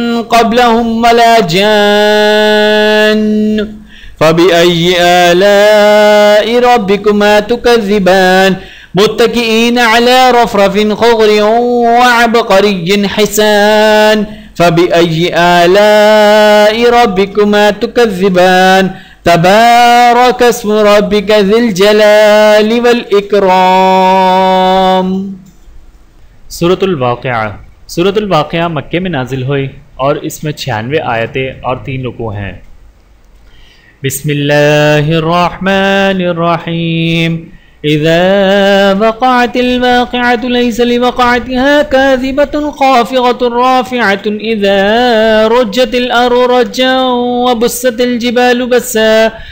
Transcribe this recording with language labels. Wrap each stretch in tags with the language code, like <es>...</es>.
<ar>قبلهم ولا جان فبأي آلاء ربكما تكذبان متكئين على رفرف خضر وعبقري حسان فبأي آلاء ربكما تكذبان تبارك اسم ربك ذي الجلال والإكرام</ar> <ur>سورة الواقعة سورة الواقعة مکہ میں نازل ہوئی اور اس میں 96 آیتیں اور 3 رکوع ہیں</ur> <ar>بسم اللہ الرحمن الرحیم إذا وقعت الواقعة ليس لوقعتها كاذبة خافضة رافعة إذا رجت الأرض رجا وبست الجبال بسا</ar>